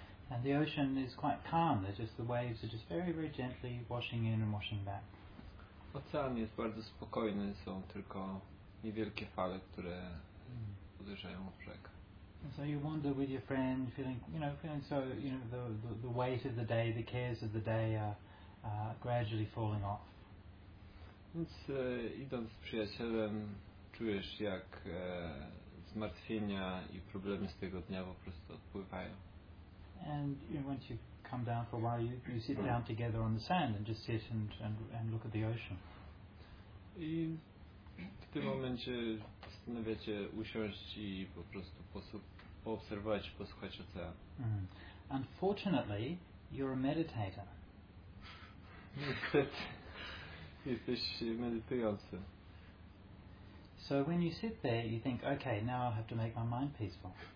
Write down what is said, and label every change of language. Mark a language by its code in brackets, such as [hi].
[en] And the ocean is quite calm. There's just the waves are just very, very gently washing in and washing back. [pl] Ocean jest bardzo spokojny. Są tylko niewielkie fale, które uderzają w brzeg. [en] And so you wander with your friend, feeling, you know, feeling so, you know, the weight of the day, the cares of the day are gradually falling off. [pl] Więc idąc z przyjacielem, czujesz jak zmartwienia i problemy z tego dnia po prostu odpływają. [en] And you know, once you come down for a while, you sit down together on the sand and just sit and look at the ocean. [pl] I w tym momencie postanawiacie usiąść i po prostu poobserwować, posłuchać ocean. [en] Unfortunately, you're a meditator. [pl] Niestety, jesteś medytujący. [en] So when you sit there, you think, okay, now I have to make my mind peaceful.